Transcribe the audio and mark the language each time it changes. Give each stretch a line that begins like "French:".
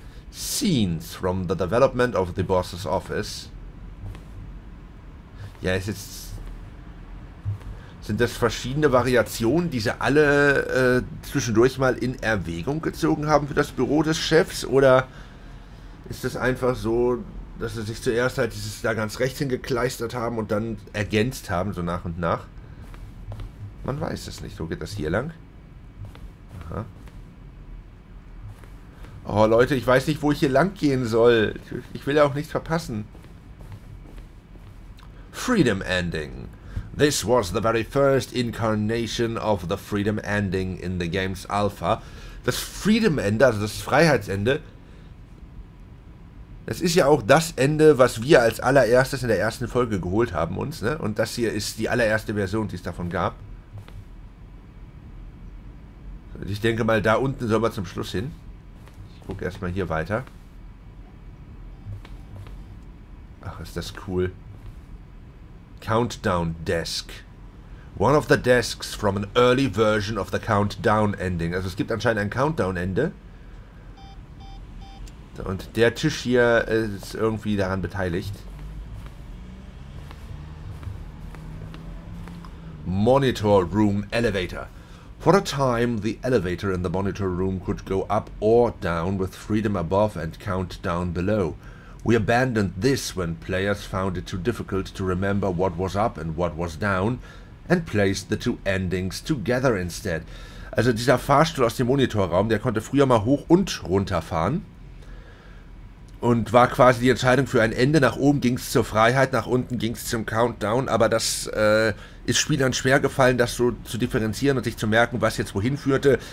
English: Scenes from the development of the Boss's Office.
German: Ja, es ist... Sind das verschiedene Variationen, die sie alle zwischendurch mal in Erwägung gezogen haben für das Büro des Chefs? Oder ist das einfach so, dass sie sich zuerst halt dieses da ganz rechts hingekleistert haben und dann ergänzt haben, so nach und nach? Man weiß es nicht. So geht das hier lang. Aha. Oh Leute, ich weiß nicht, wo ich hier lang gehen soll. Ich will ja auch nichts verpassen.
English: Freedom Ending. This was the very first incarnation of the Freedom Ending in the game's Alpha.
German: Das Freedom Ende, also das Freiheitsende, das ist ja auch das Ende, was wir als allererstes in der ersten Folge geholt haben uns, ne? Und das hier ist die allererste Version, die es davon gab. Ich denke mal, da unten soll man zum Schluss hin. Ich gucke erstmal hier weiter. Ach, ist das cool.
English: Countdown Desk. One of the desks from an early version of the Countdown Ending.
German: Also es gibt anscheinend ein Countdown-Ende. Und der Tisch hier ist irgendwie daran beteiligt.
English: Monitor Room Elevator. For a time, the elevator in the monitor room could go up or down with freedom above and countdown below. We abandoned this when players found it too difficult to remember what was up and what was down and placed the two endings together instead.
German: Also dieser Fahrstuhl aus dem Monitorraum, der konnte früher mal hoch und runter fahren. Und war quasi die Entscheidung für ein Ende. Nach oben ging es zur Freiheit, nach unten ging es zum Countdown. Aber das ist Spielern schwer gefallen, das so zu differenzieren und sich zu merken, was jetzt wohin führte.